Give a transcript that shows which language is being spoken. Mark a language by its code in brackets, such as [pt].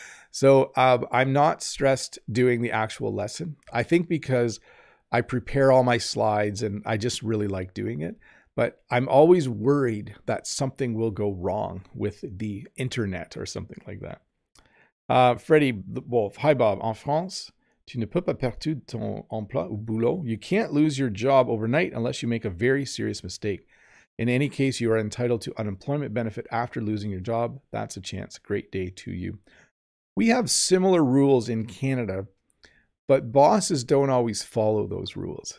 [en] So I'm not stressed doing the actual lesson. I think because I prepare all my slides and I just really like doing it. But I'm always worried that something will go wrong with the internet or something like that. Freddie Wolf, hi, Bob. [fr] En France, tu ne peux pas perdre ton emploi ou boulot. [en] You can't lose your job overnight unless you make a very serious mistake. In any case, you are entitled to unemployment benefit after losing your job. That's a chance. Great day to you. We have similar rules in Canada, but bosses don't always follow those rules.